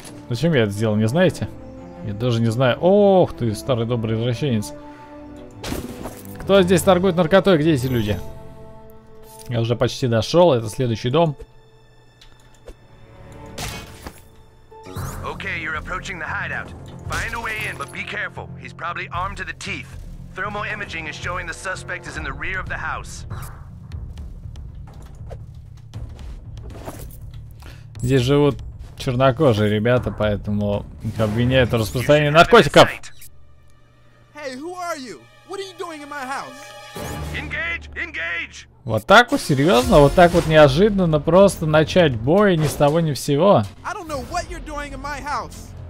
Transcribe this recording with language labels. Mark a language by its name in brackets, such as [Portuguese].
[Russian] Зачем я это сделал, не знаете? Я даже не знаю. Ох ты, старый добрый извращенец. Кто здесь торгует наркотой? Где эти люди? Я уже почти дошел, это следующий дом. Окей, ты подходишь к хайдауту. [English] Find a way in, but be careful. He's probably armed to the teeth. Thermal imaging is showing the suspect is in the rear of the house. [Russian] Здесь живут чернокожие ребята, поэтому их обвиняют в распространении наркотиков. [English] Hey, who are you? What are you doing in my house? Engage, engage. [Russian] Вот так вот, серьезно, вот так вот неожиданно просто начать бой ни с того ни с сего. [English] I don't know what you're doing in my house.